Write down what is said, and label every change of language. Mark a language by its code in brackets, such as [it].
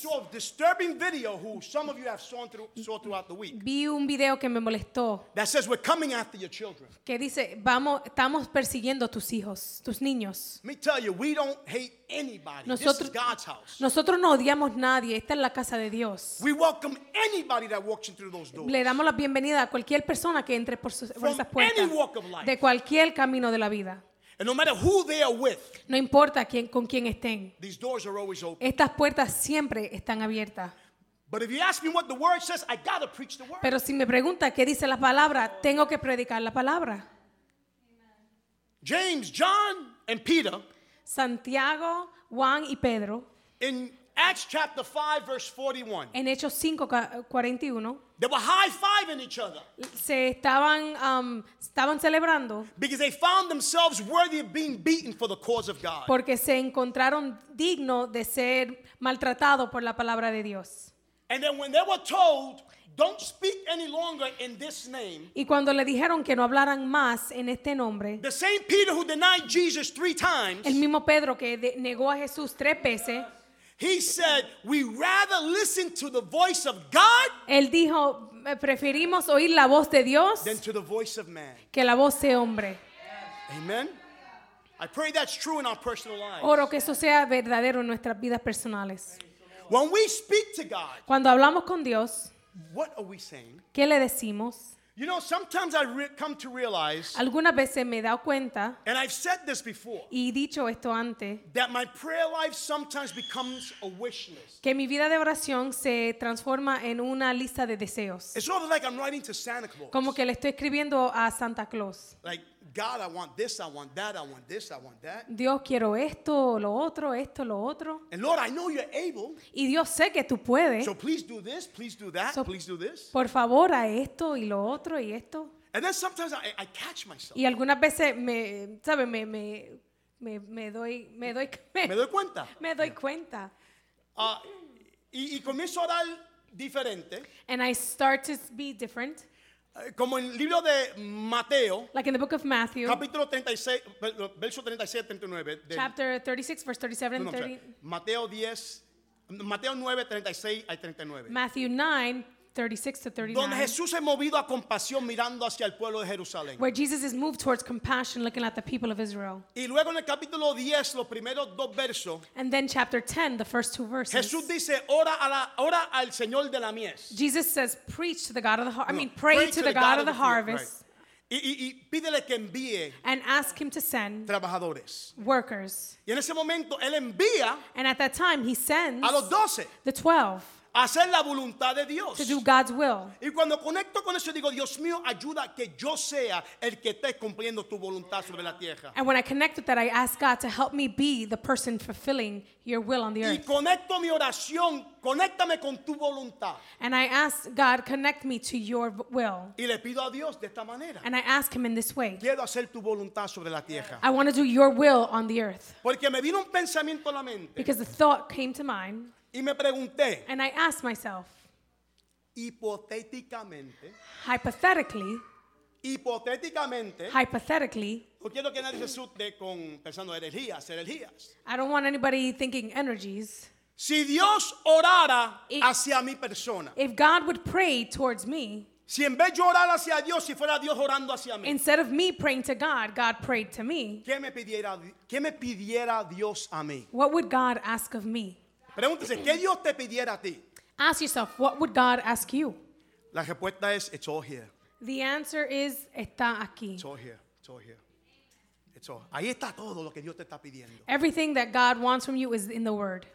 [en] I saw a disturbing video who some of you have saw throughout the week. [es] Vi un video que me molestó. [en] That says we're coming after your children. [es] Que dice, vamos, estamos persiguiendo tus hijos, tus niños. [en] Let me tell you, we don't hate anybody. [es] Nosotros, [en] this is God's house. [es] Nosotros no odiamos nadie. Esta es la casa de Dios. [en] We welcome anybody that walks in through those doors. [es] Le damos la bienvenida a cualquier persona que entre por sus, [en] from [es] esas puertas. [en] Any walk of life. [es] De cualquier camino de la vida. [en] And no matter who they are with, [es] no importa quién, con quién estén, [en] these doors are always open. [es] Estas puertas siempre están abiertas. [en] But if you ask me what the word says, I gotta preach the word. [es] Pero si me pregunta qué dice la palabra, tengo que predicar la palabra. [en] James, John, and Peter, [es] Santiago, Juan y Pedro, [en] in Acts chapter 5, verse 41, [es] en Hechos 5:41. [en] They were high-fiving each other. [es] Se estaban, estaban celebrando. [en] Because they found themselves worthy of being beaten for the cause of God. [es] Porque se encontraron digno de ser maltratado por la palabra de Dios. [en] And then when they were told, don't speak any longer in this name. [es] Y cuando le dijeron que no hablaran más en este nombre. [en] The same Peter who denied Jesus three times. [es] El mismo Pedro que negó a Jesús tres veces. [en] He said, "We rather listen to the voice of God." [es] Él dijo, "Preferimos oír la voz de Dios." [en] Than to the voice of man. [es] Que la voz de hombre. [en] Amen. I pray that's true in our personal lives. [es] Oro que eso sea verdadero en nuestras vidas personales. [en] When we speak to God. [es] Cuando hablamos con Dios. [en] What are we saying? [es] ¿Qué le decimos? [en] You know, sometimes I come to realize. [es] Algunas veces me he dado cuenta. [en] And I've said this before. [es] Y dicho esto antes. [en] That my prayer life sometimes becomes a wish list. [es] Que mi vida de oración se transforma en una lista de deseos. [en] It's sort of like I'm writing to Santa Claus. [es] Como que le estoy escribiendo a Santa Claus. [en] Like, God, I want this, I want that, I want this, I want that. [es] Dios, quiero esto, lo otro. [en] And Lord, I know you're able. [es] Y Dios, sé que tú puedes. [en] So please do this, please do that, so, please do this. [es] Por favor, a esto y lo otro y esto. [en] And then sometimes I catch myself. [es] Y algunas veces me, sabe, me doy cuenta. Me doy cuenta. Y comienzo a orar diferente. [en] And I start to be different. [es] Como en el libro de Mateo, [en] like in the book of Matthew, [es] capítulo 36, verso 37-39. [en] Chapter 36, verse 37 and [es] 39. Mateo 10, Mateo 9, 36-39. [en] Matthew 9, 36-39. [es] Donde Jesús es movido a compasión mirando hacia el pueblo de Jerusalén. [en] Where Jesus is moved towards compassion looking at the people of Israel. [es] Y luego en el capítulo 10, los primeros dos versos. [en] And then chapter 10, the first two verses. [es] Jesús dice, ora al Señor de la mies. [en] Jesus says, preach to the God of the harvest. Pray to the God of the harvest. [es] Right. Y pídele que envíe. [en] And ask him to send. [es] Trabajadores. [en] Workers. [es] Y en ese momento, él envía. [en] And at that time, he sends. [es] A los 12. [en] The 12. [es] Hacer la voluntad de Dios. [en] To do God's will. [es] Y cuando conecto con eso digo, Dios mío, ayuda que yo sea el que esté cumpliendo tu voluntad sobre la tierra. [en] And when I connect with that, I ask God to help me be the person fulfilling your will on the earth. [es] Y conecto mi oración, conéctame con tu voluntad. [en] And I ask God, connect me to your will. [es] Y le pido a Dios de esta manera. [en] And I ask him in this way. [es] Quiero hacer tu voluntad sobre la tierra. [en] I want to do your will on the earth. [es] Porque me vino un pensamiento a la mente. [en] Because the thought came to mind. [es] Y me pregunté, [en] and I asked myself, [es] hipotéticamente, [en] hypothetically, [es] no quiero que nadie se asuste con pensando energías, [en] I don't want anybody thinking energies. [es] Si Dios orara hacia mi persona, [en] if God would pray towards me, [es] si en vez de orar hacia Dios, si fuera Dios orando hacia mí, [en] instead of me praying to God, God prayed to me, [es] ¿qué me pidiera Dios a mí? [en] What would God ask of me? [es] Pregúntese, ¿qué Dios te pidiera a ti? [en] Ask yourself, what would God ask you? [es] La respuesta es, [en] it's all here. The answer is, [es] está aquí. [en] It's all here, it's all here. It's all. [es] Ahí está todo lo que Dios te está pidiendo. [en] Everything that God wants from you is in the word.